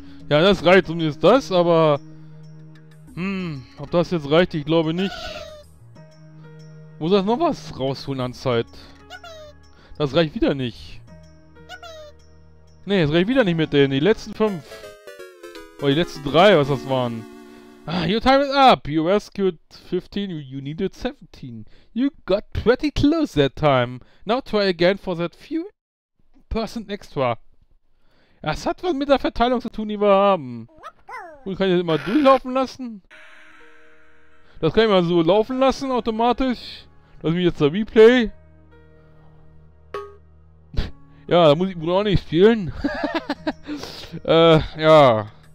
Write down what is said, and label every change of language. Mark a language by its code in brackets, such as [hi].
[de] Ja, das reicht zumindest das, aber. Ob das jetzt reicht, ich glaube nicht. Muss das noch was rausholen an Zeit? Das reicht wieder nicht. Nee, das reicht wieder nicht mit denen. Die letzten 5. Oder die letzten 3, was das waren. [en] Ah, your time is up. You rescued 15, you needed 17. You got pretty close that time. Now try again for that few percent extra. [de] Das hat was mit der Verteilung zu tun, die wir haben. Und kann ich das immer durchlaufen lassen? Das kann ich mal so laufen lassen, automatisch. Lass mich jetzt da replay. Ja, da muss ich wohl auch nicht spielen. ja.